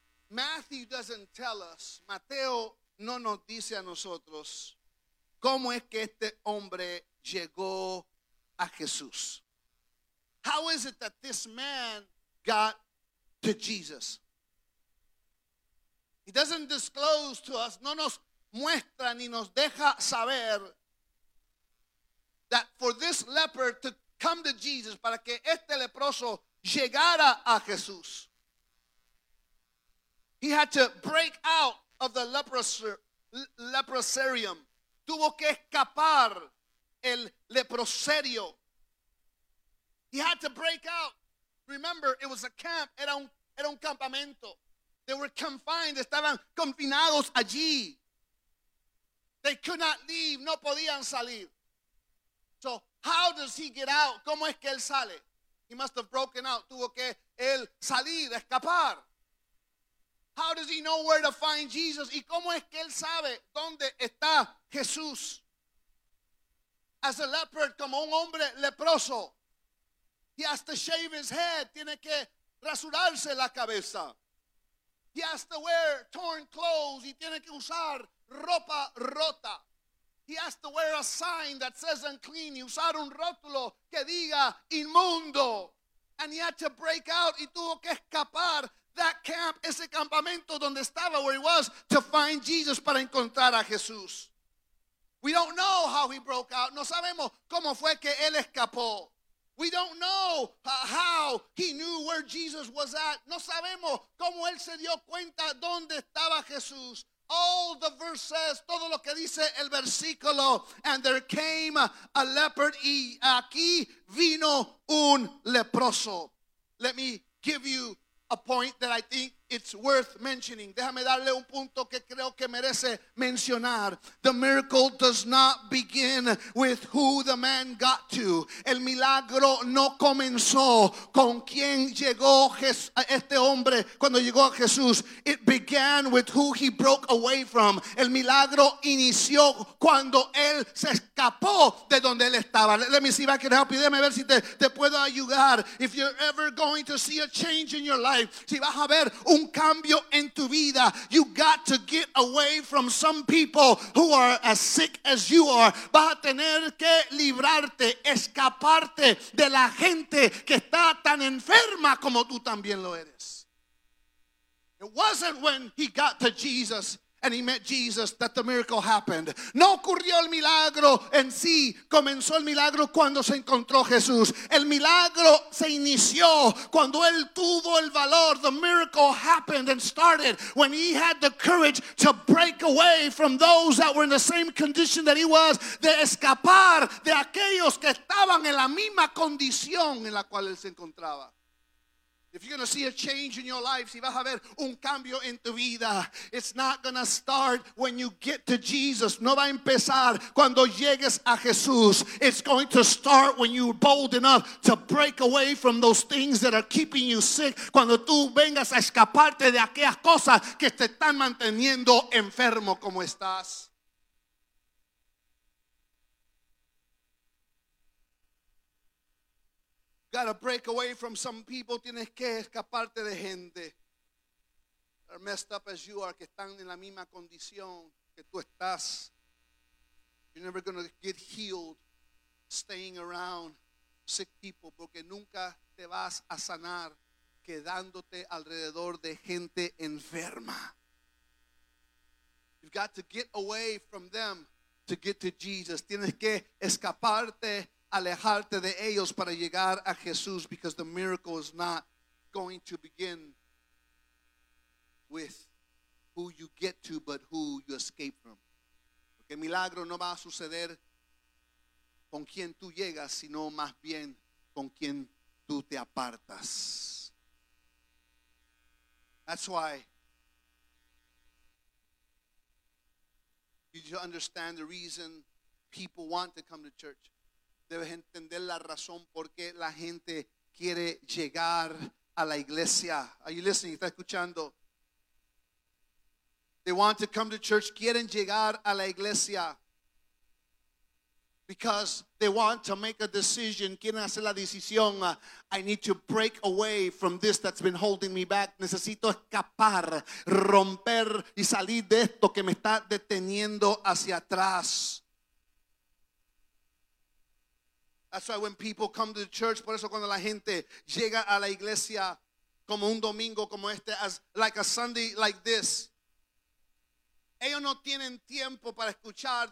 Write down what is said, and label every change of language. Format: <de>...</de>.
<en>Matthew doesn't tell us,</en> <es>Mateo no nos dice a nosotros, cómo es que este hombre llegó a Jesús.</es> <en>How is it that this man got to Jesus? He doesn't disclose to us,</en> <es>no nos muestra ni nos deja saber,</es> <en>that for this leper to come to Jesus,</en> <es>para que este leproso llegara a Jesús,</es> <en>he had to break out of the leprosarium.</en> <es>Tuvo que escapar el leproserio.</es> <en>He had to break out. Remember, it was a camp.</en> <es>Era un campamento.</es> <en>They were confined.</en> <es>Estaban confinados allí.</es> <en>They could not leave.</en> <es>No podían salir.</es> <en>So how does he get out?</en> <es>¿Cómo es que él sale?</es> <en>He must have broken out.</en> <es>Tuvo que él salir, escapar.</es> <en>How does he know where to find Jesus?</en> <es>¿Y cómo es que él sabe dónde está Jesús?</es> <en>As a leper,</en> <es>como un hombre leproso,</es> <en>he has to shave his head.</en> <es>Tiene que rasurarse la cabeza.</es> <en>He has to wear torn clothes.</en> <es>Y tiene que usar ropa rota.</es> <en>He has to wear a sign that says unclean.</en> <es>Y usar un rótulo que diga inmundo.</es> <en>And he had to break out.</en> <es>Y tuvo que escapar</es> <en>that camp,</en> <es>ese campamento donde estaba,</es> <en>where he was, to find Jesus,</en> <es>para encontrar a Jesús.</es> <en>We don't know how he broke out.</en> <es>No sabemos cómo fue que él escapó.</es> <en>We don't know how he knew where Jesus was at.</en> <es>No sabemos cómo él se dio cuenta dónde estaba Jesús.</es> <en>All the verses,</en> <es>todo lo que dice el versículo,</es> <en>and there came a leper,</en> <es>y aquí vino un leproso.</es> <en>Let me give you a point that I think it's worth mentioning.</en> <es>Déjame darle un punto que creo que merece mencionar.</es> <en>The miracle does not begin with who the man got to.</en> <es>El milagro no comenzó con quien llegó este hombre cuando llegó a Jesús.</es> <en>It began with who he broke away from.</en> <es>El milagro inició cuando él se escapó de donde él estaba.</es> <en>Let me see if I can help you.</en> <es>Déjame ver si te puedo ayudar.</es> <en>If you're ever going to see a change in your life,</en> <es>si vas a ver un cambio en tu vida,</es> <en>you got to get away from some people who are as sick as you are.</en> <es>Vas a tener que librarte, escaparte de la gente que está tan enferma como tú también lo eres.</es> <en>It wasn't when he got to Jesus and he met Jesus that the miracle happened.</en> <es>No ocurrió el milagro en sí. Comenzó el milagro cuando se encontró Jesús. El milagro se inició cuando él tuvo el valor.</es> <en>The miracle happened and started when he had the courage to break away from those that were in the same condition that he was,</en> <es>de escapar de aquellos que estaban en la misma condición en la cual él se encontraba.</es> <en>If you're going to see a change in your life,</en> <es>si vas a ver un cambio en tu vida,</es> <en>it's not going to start when you get to Jesus.</en> <es>No va a empezar cuando llegues a Jesús.</es> <en>It's going to start when you're bold enough to break away from those things that are keeping you sick.</en> <es>Cuando tú vengas a escaparte de aquellas cosas que te están manteniendo enfermo como estás.</es> <en>Gotta break away from some people.</en> <es>Tienes que escaparte de gente.</es> <en>They're messed up as you are.</en> <es>Que están en la misma condición que tú estás.</es> <en>You're never gonna get healed staying around sick people.</en> <es>Porque nunca te vas a sanar quedándote alrededor de gente enferma.</es> <en>You've got to get away from them to get to Jesus.</en> <es>Tienes que escaparte, alejarte de ellos para llegar a Jesús,</es> <en>because the miracle is not going to begin with who you get to, but who you escape from.</en> <es>Porque el milagro no va a suceder con quien tú llegas, sino más bien con quien tú te apartas.</es> <en>That's why you need to understand the reason people want to come to church.</en> <es>Debes entender la razón por qué la gente quiere llegar a la iglesia.</es> <en>Are you listening?</en> <es>¿Estás escuchando?</es> <en>They want to come to church.</en> <es>Quieren llegar a la iglesia.</es> <en>Because they want to make a decision.</en> <es>Quieren hacer la decisión.</es> <en>I need to break away from this that's been holding me back.</en> <es>Necesito escapar, romper y salir de esto que me está deteniendo hacia atrás.</es> <en>That's why when people come to the church,</en> <es>por eso cuando la gente llega a la iglesia como un domingo como este,</es> <en>as like a Sunday like this,</en> <es>ellos no tienen tiempo para escuchar.</es>